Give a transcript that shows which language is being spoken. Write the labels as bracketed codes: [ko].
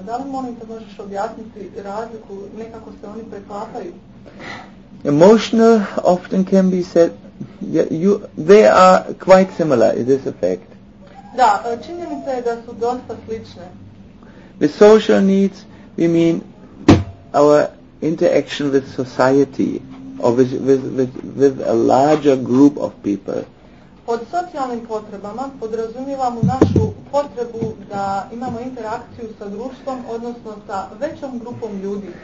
[hr] Da li molim te možeš objasniti razliku, nekako se oni preklapaju? [en] Emotional often can be said, they are quite similar, is this a fact? [hr] Da, činjenica je da su dosta slične. [en] With social needs, we mean our interaction with society. Or with a larger group of people. [hr] Pod socijalnim potrebama podrazumijevamo našu potrebu da imamo interakciju sa društvom, odnosno sa većom grupom ljudi.